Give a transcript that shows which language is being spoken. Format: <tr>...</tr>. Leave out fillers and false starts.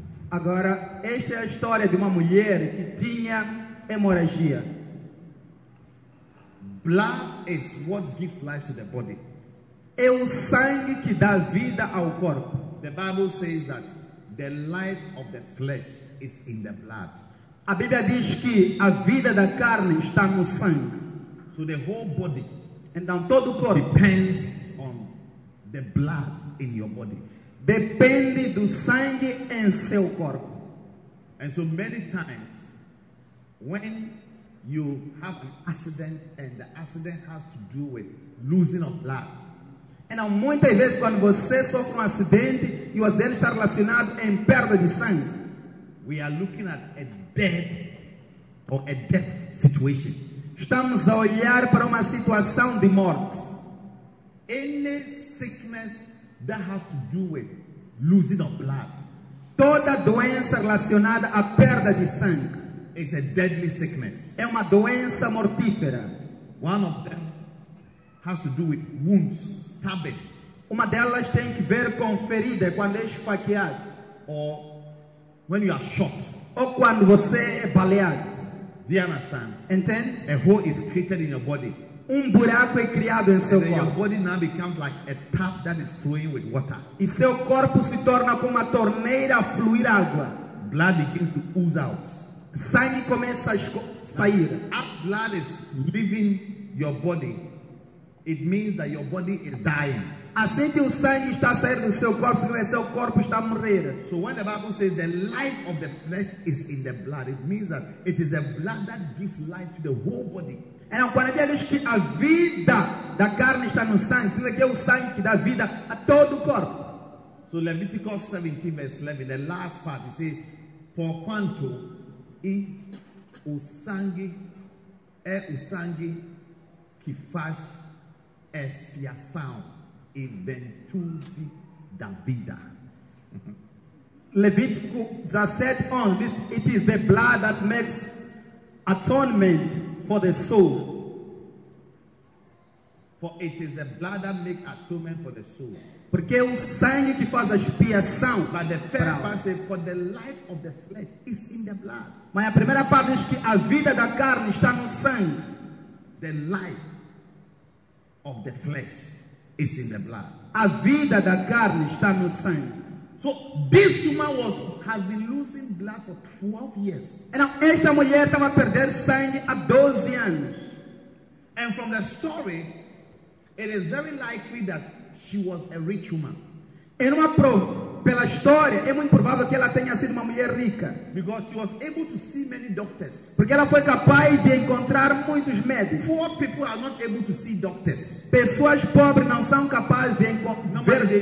<pt>Agora, esta é a história de uma mulher que tinha hemorragia.</pt> <en>Blood is what gives life to the body.</en> <pt>É o sangue que dá vida ao corpo.</pt> <en>The Bible says that the life of the flesh is in the blood.</en> <pt>A Bíblia diz que a vida da carne está no sangue.</pt> <en>So the whole body,</en> <pt>então todo o corpo,</pt> <en>depends on the blood in your body.</en> <pt>Depende do sangue em seu corpo.</pt> <en>And so many times, when you have an accident and the accident has to do with losing of blood.</en> <pt>Então muitas vezes quando você sofre um acidente e o acidente está relacionado em perda de sangue,</pt> <en>we are looking at a dead or a death situation.</en> <pt>Estamos a olhar para uma situação de morte.</pt> <en>Any sickness that has to do with losing of blood.</en> <pt>Toda doença relacionada à perda de sangue</pt> <en>is a deadly sickness.</en> <pt>É uma doença mortífera.</pt> <en>One of them has to do with wounds, stabbing.</en> <pt>Uma delas tem que ver com ferida, quando é esfaqueado.</pt> <en>Or when you are shot.</en> <pt>Ou quando você é baleado.</pt> <en>Do you understand?</en> <pt>Entend?</pt> <en>A hole is created in your body.</en> <pt>Buraco é criado em seu corpo.</pt> <en>Your body now becomes like a tap that is flowing with water.</en> <pt>E seu corpo se torna como uma torneira a fluir água.</pt> <en>Blood begins to ooze out.</en> <pt>Sangue começa a sair.</pt> <en>If blood is leaving your body, it means that your body is dying.</en> <pt>Assim que o sangue está saindo do seu corpo, significa que seu corpo está a morrer.</pt> <en>So when the Bible says the life of the flesh is in the blood, it means that it is the blood that gives life to the whole body.</en> <pt>Então, quando a Bíblia diz que a vida da carne está no sangue, significa que é o sangue que dá vida a todo o corpo.</pt> <en>So Leviticus 17, verse 11, the last part, it says,</en> <pt>Porquanto é o sangue que faz expiação e ventude da vida.</pt> <en>Leviticus 17:11, this it is the blood that makes atonement for the soul. For it is the blood that makes atonement for the soul.</en> <pt>Porque é o sangue que faz a expiação.</pt> <en>But the first part says, for the life of the flesh is in the blood.</en> <pt>Mas a primeira parte diz que a vida da carne está no sangue.</pt> <en>The life of the flesh is in the blood.</en> <pt>A vida da carne está no sangue.</pt> <en>So this woman has been losing blood for 12 years.</en> <pt>E não, esta mulher estava a perder sangue há 12 anos.</pt> <en>And from the story, it is very likely that she was a rich woman.</en> <pt>E numa prova, pela história, é muito provável que ela tenha sido uma mulher rica.</pt> <en>Because she was able to see many doctors.</en> <pt>Porque ela foi capaz de encontrar muitos médicos.</pt> <en>Poor people are not able to see doctors.</en> <pt>Pessoas pobres não são capazes de ver médicos.</pt>